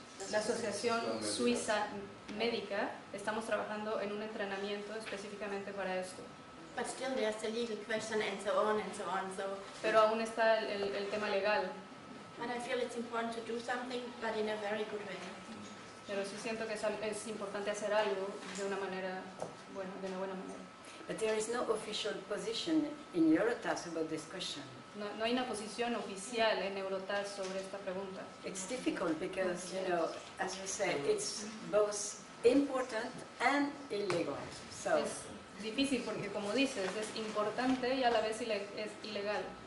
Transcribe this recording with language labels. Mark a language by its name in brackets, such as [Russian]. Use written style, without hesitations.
[Spanish] La asociación suiza médica, estamos trabajando en un entrenamiento específicamente para esto. [English] But still, there's the legal question and so on and so on. So. [Spanish] Pero aún está el tema legal. [English] But I feel it's important to do something, but in a very good way. [Spanish] Pero sí siento que es importante hacer algo de una manera bueno, de una buena manera. [English] But there is no official position in Eurotas about this question. [Spanish] No hay una posición oficial en Eurotas sobre esta pregunta. [English] It's difficult because, you know, as you said, it's both important and illegal. So. [Spanish] Es difícil porque, como dices, es importante y a la vez es ilegal.